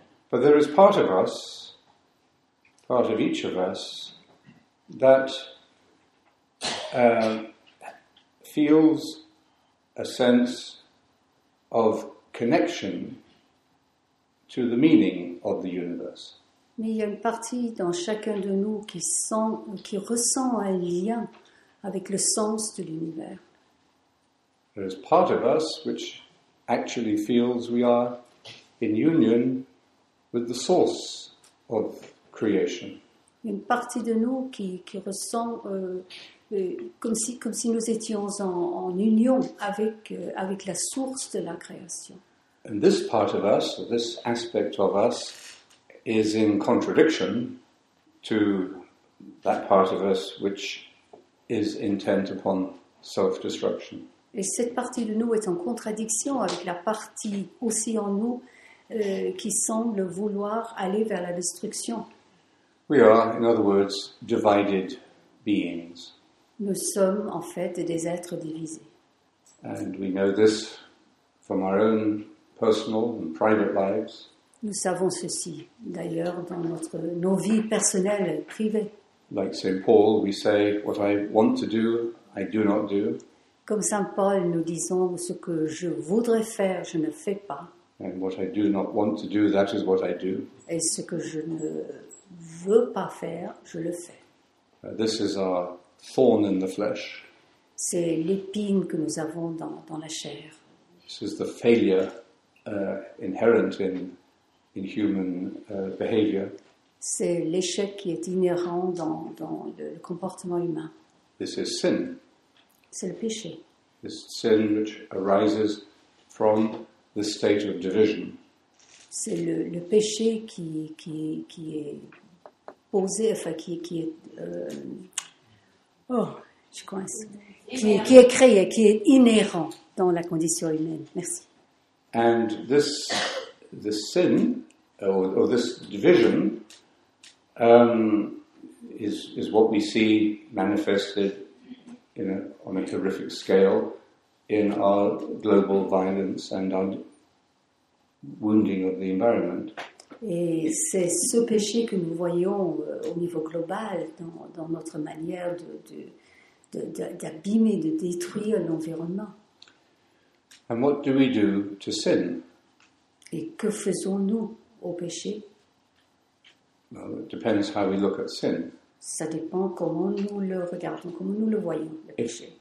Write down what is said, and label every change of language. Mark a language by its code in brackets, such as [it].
[en] But there is part of us, part of each of us, that feels a sense of connection to the meaning of the universe. [fr] Mais il y a une partie dans chacun de nous qui ressent un lien avec le sens de l'univers. [en] There is part of us which actually feels we are in union with the source of creation. [fr] Une partie de nous qui ressent comme si nous étions en union avec la source de la création. [en] And this part of us, this aspect of us, is in contradiction to that part of us which is intent upon self-destruction. [fr] Et cette partie de nous est en contradiction avec la partie aussi en nous qui semble vouloir aller vers la destruction. [en] We are, in other words, divided beings. [fr] Nous sommes en fait des êtres divisés. [en] And we know this from our own personal and private lives. [fr] Nous savons ceci d'ailleurs dans nos vies personnelles et privées. [en] Like Saint Paul, we say, what I want to do, I do not do. [fr] Comme Saint Paul, nous disons ce que je voudrais faire, je ne fais pas. [en] And what I do not want to do, that is what I do. [fr] Et ce que je ne veux pas faire, je le fais. [en] This is our thorn in the flesh. [fr] C'est l'épine que nous avons dans la chair. [en] This is the failure inherent in human behavior. [fr] C'est l'échec qui est inhérent dans le comportement humain. [en] This is sin. [fr] C'est le péché. [en] This sin which arises from the state of division. [fr] C'est le péché qui est posé, enfin qui est qui est créé, qui est inhérent dans la condition humaine. Merci. [en] And this sin or this division is what we see manifested on a terrific scale in our global violence and our wounding of the environment. [fr] Et c'est ce péché que nous voyons au niveau global dans notre manière d'abîmer, de détruire l'environnement. [en] And what do we do to sin? [fr] Et que faisons-nous au péché? [en] Well, it depends how we look at sin. [fr] Ça dépend comment nous le regardons, comment nous le voyons, le péché.